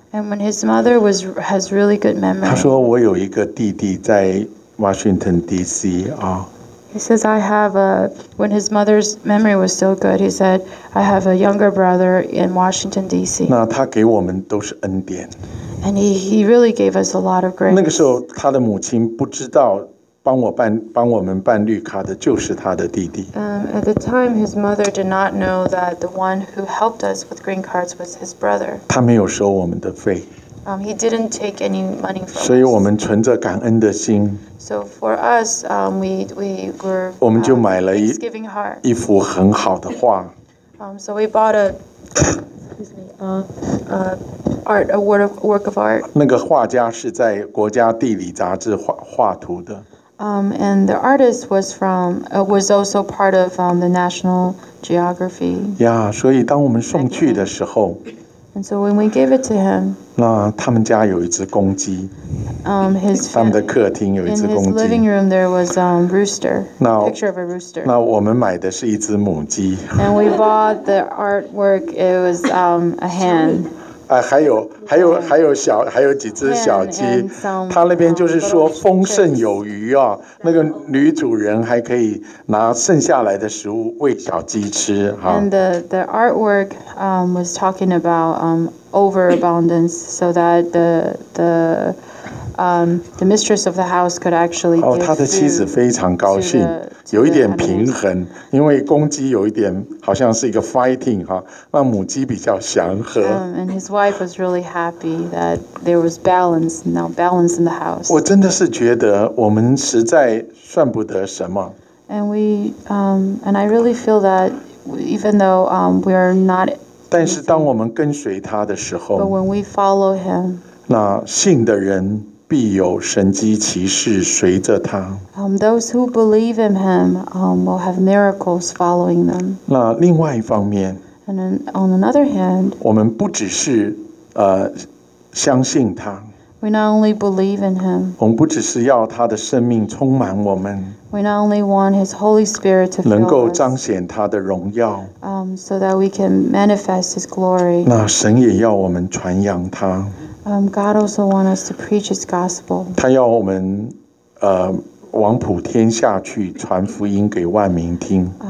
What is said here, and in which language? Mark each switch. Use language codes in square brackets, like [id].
[en] And when his mother has really good memory. [zh] 他说我有一个弟弟在。Washington D.C. [en] He says, "I have a." When his mother's memory was still good, he said, "I have a younger brother in Washington D.C." [zh] 那他给我们都是恩典。 [en] And he really gave us a lot of grace. [zh] 那个时候，他的母亲不知道帮我们办绿卡的就是他的弟弟。 [en] At the time, his mother did not know that the one who helped us with green cards was his brother. [zh] 他没有收我们的费。 [en] He didn't take any money from us. [zh] 所以我们存着感恩的心。 [en] So for us, we were. [zh] 我们就买了一幅很好的画。 [en] So we bought a work of art. [zh] 那个画家是在《国家地理》杂志画图的。 [en] And the artist was also part of the National Geography. [zh] Yeah, 所以当我们送去的时候。 [en] And so when we gave it to him, [zh] 那他们家有一只公鸡。他们的客厅有一只公鸡。 [en] In his living room there was rooster, a picture of a rooster. [zh] 那我们买的是一只母鸡。 [en] And we bought the artwork. It was a hen. [zh] 还有几只小鸡。他那边就是说丰盛有余啊，那个女主人还可以拿剩下来的食物喂小鸡吃哈。 [en] And the artwork was talking about overabundance, so that the mistress of the house could actually give food. [zh] 他的妻子非常高兴。有一点平衡，因为公鸡有一点好像是一个 fighting 哈，那母鸡比较祥和。 [en] And his wife was really happy that there was balance, now balance in the house. [zh] 我真的是觉得我们实在算不得什么。 [en] And we, and I really feel that even though we are not. [zh] 但是当我们跟随他的时候。 [en] But when we follow him. [zh] 那信的人。必有神迹奇事随着他。 [en] Those who believe in him will have miracles following them. [zh] 那另外一方面。 [en] And on another hand, [zh] 我们不只是相信他。 [en] We not only believe in him. [zh] 我们不只是要他的生命充满我们。 [en] We not only want his Holy Spirit to fill us. [zh] 能够彰显他的荣耀。 [en] So that we can manifest his glory. [zh] 那神也要我们传扬他。 [en] God also wants us to preach His gospel. [zh] 他要我们，往普天下去传福音给万民听。